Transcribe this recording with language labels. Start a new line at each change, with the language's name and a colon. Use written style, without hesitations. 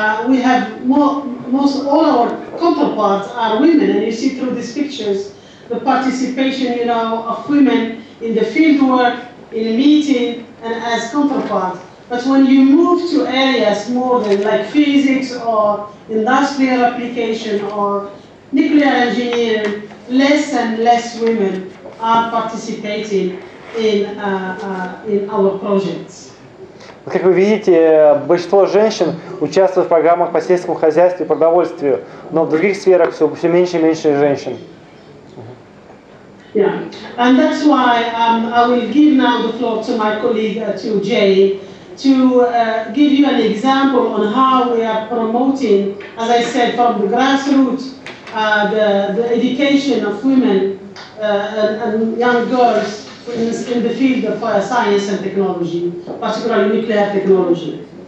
English: We have most all our counterparts are women, and you see through these pictures the participation, you know, of women in the field work, in a meeting, and as counterparts. But when you move to areas more than like physics or industrial application or nuclear engineering, less and less women are participating in our projects.
Russian: Как вы видите, большинство женщин участвуют в программах по сельскому хозяйству и продовольствию, но в других сферах все меньше и меньше женщин.
English: Yeah, and that's why I will give now the floor to my colleague, to Jay, to give you an example on how we are promoting, as I said, from the grassroots, the education of women and young girls in the field of science and technology, particularly nuclear technology.